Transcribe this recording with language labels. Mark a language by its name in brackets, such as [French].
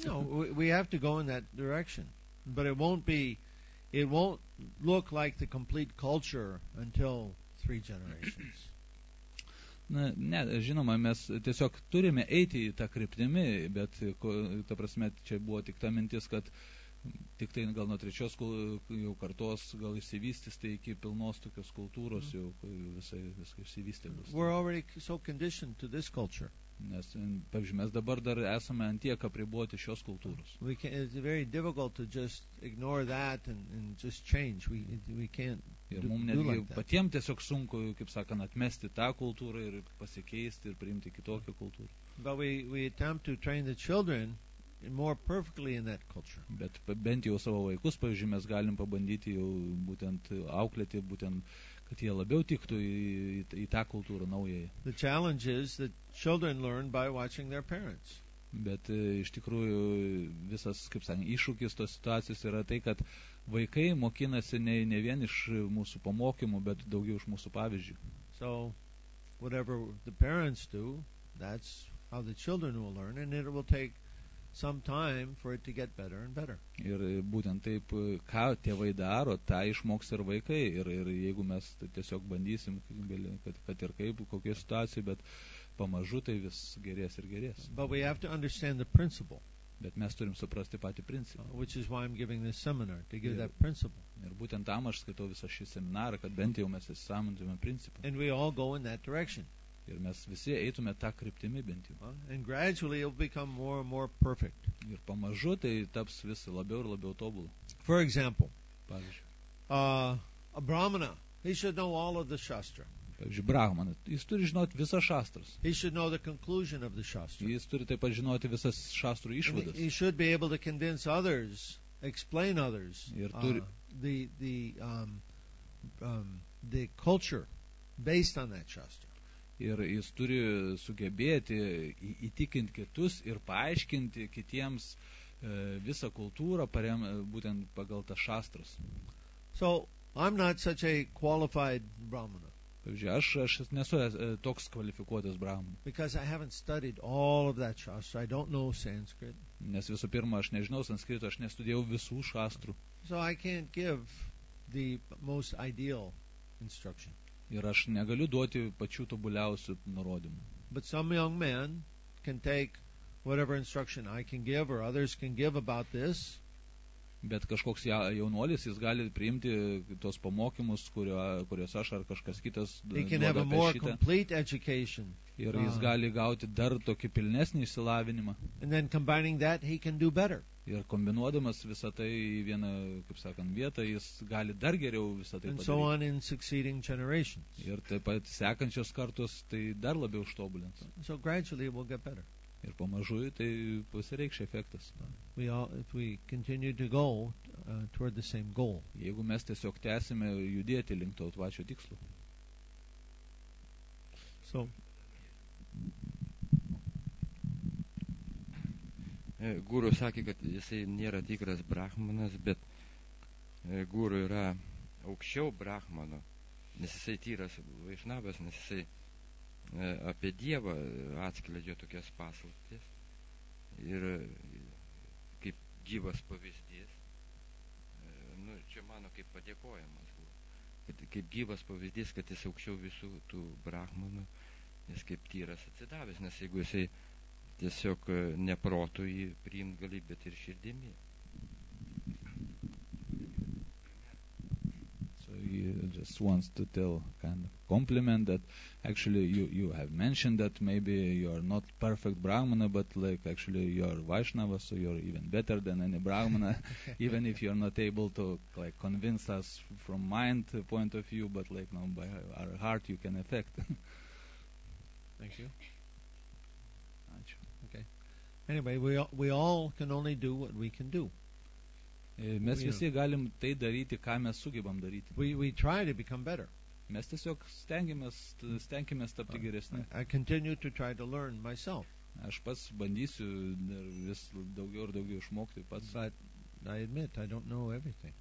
[English] No, we have to go in that direction, but it won't look like the complete culture until 3 generations. [Lithuanian] Ne, žinoma, mes tiesiog turime eiti į tą kryptimį, bet čia buvo tik ta mintis, kad tik tai gal nuo trečios jau kartos gal išsivystys tai iki pilnos tokios kultūros jau visai viskas išsivystė bus. [English] We're already so conditioned to this culture. [Lithuanian] Nes, pavyzdžiui, mes dabar dar esame ant tiek apriboti šios kultūros. [English] It's very difficult to just ignore that and just change. We can't do like that. [Lithuanian] Ir mums netgi patiems tiesiog sunku, kaip sakant, atmesti tą kultūrą ir pasikeisti ir priimti kitokią kultūrą. [English] But we attempt to train the children more perfectly in that culture. [Lithuanian] Bet bent jau savo vaikus, pavyzdžiui, mes galim pabandyti jau būtent auklėti, būtent, kad jie labiau tiktų į tą kultūrą naująją. [English] The challenge is that children learn by watching their parents. [Lithuanian] Bet iš tikrųjų visas, kaip sakant, iššūkis tos situacijos yra tai, kad vaikai mokinasi ne vien iš mūsų pamokymų, bet daugiau iš mūsų pavyzdžių. [English] So, whatever the parents do, that's how the children will learn, and it will take some time for it to get better and better. [Lithuanian] Ir būtent taip, ką tėvai daro, tą išmoks ir vaikai. Ir jeigu mes tiesiog bandysim, kad ir kaip, kokia situacija, bet pamažu tai vis gerės ir gerės. [English] But we have to understand the principle. [Lithuanian] Bet mes turim suprasti patį principą. [English] Which is why I'm giving this seminar, to give that principle. [Lithuanian] Ir būtent tam aš skaitau visą šį seminarą, kad bent jau mes įsisąmonintume principą. [English] And we all go in that direction. [Lithuanian] Ir mes visi eitume tą kryptimį bent jau. [English] And gradually it will become more and more perfect. [Lithuanian] Ir pamažu tai taps vis labiau ir labiau tobulų. [English] For example, [Lithuanian] pavyzdžiui, [English] a brahmana, he should know all of the shastra. [Lithuanian] Pavyzdžiui, brahmana, jis turi žinoti visas šastras. [English] He should know the conclusion of the shastra. [Lithuanian] Jis turi taip pat žinoti visas šastrų išvadas. [English] He should be able to convince others, explain others the culture based on that shastra. [Lithuanian] Ir jis turi sugebėti įtikinti kitus ir paaiškinti kitiems visą kultūrą būtent pagal tas šastras. [English] So, I'm not such a qualified brahmana. [Lithuanian] Pavyzdžiui, aš nesu toks kvalifikuotas brahmana. [English] Because I haven't studied all of that shastra. I don't know Sanskrit. [Lithuanian] Nes visų pirma, aš nežinau sanskrito, aš nestudėjau visų šastrų. [English] So, I can't give the most ideal instruction. [Lithuanian] Ir aš negaliu duoti pačių tobuliausių nurodymų. [English] But some young man can take whatever instruction I can give or others can give about this. [Lithuanian] Bet kažkoks jaunuolis, jis gali priimti tos pamokymus, kuriuos aš ar kažkas kitas duoda. [English] He can have a more complete education. [Lithuanian] Ir jis gali gauti dar tokį pilnesnį išsilavinimą. [English] And then combining that, he can do better. [Lithuanian] Ir kombinuodamas visą tai į vieną, kaip sakant, vietą, jis gali dar geriau visą tai padaryti. [English] And so on in succeeding generations. [Lithuanian] Ir taip pat sekančios kartos tai dar labiau ištobulins. [English] So gradually it will get better. [Lithuanian] Ir pamažu tai pasireikš efektas. [English] If we continue to go toward the same goal. [Lithuanian] Jeigu mes tiesiog tęsime judėti link to pačio tikslo. [English] So. [Lithuanian] Guru sakė, kad jisai nėra tikras brahmanas, bet guru yra aukščiau brahmano, nes jisai tyras vaišnavas, nes jisai apie Dievą atskleidžia tokias paslaptis ir kaip gyvas pavyzdys, nu, čia mano kaip padėkojimas, kaip gyvas pavyzdys, kad jis aukščiau visų tų brahmanų, jis kaip tyras atsidavęs, nes jeigu jisai tiesiog neprotų jį priimt gali, bet ir širdimi. [English] So he just wants to tell kind of compliment that actually you have mentioned that maybe you are not perfect brahmana, but like actually you are Vaishnava, so you are even better than any brahmana, even if you are not able to like convince us from mind point of view, but like no, by our heart you can affect. Thank you. Anyway, we all can only do what we can do. [Lithuanian] Mes visi galim tai daryti, ką mes sugebam daryti. [English] We try to become better. [Lithuanian] Mes tiesiog stengiamės tapti geresni. [English] I continue to try to learn myself. [Lithuanian] Aš pats bandysiu vis daugiau ir daugiau išmokti pats. [English] But I admit I don't know everything.